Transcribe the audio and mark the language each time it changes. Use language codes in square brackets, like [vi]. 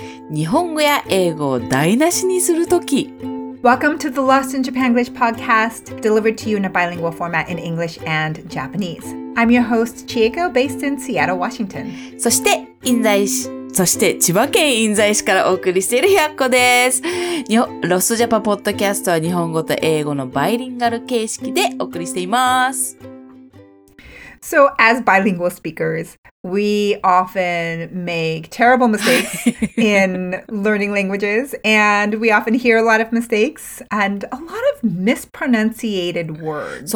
[ja] 日本語や英語を台無しにするとき [en] Welcome to the Lost in Japan English podcast, delivered to you in a bilingual format in English and Japanese. I'm your host, Chieko, based in Seattle, Washington. [ja] そして千葉県印西市からお送りしているひゃっこです。ロスジャパポッドキャストは日本語と英語のバイリンガル形式でお送りしています。 [en] So, as bilingual speakers, we often make terrible mistakes in learning languages, and we often hear a lot of mistakes and a lot of mispronunciated words.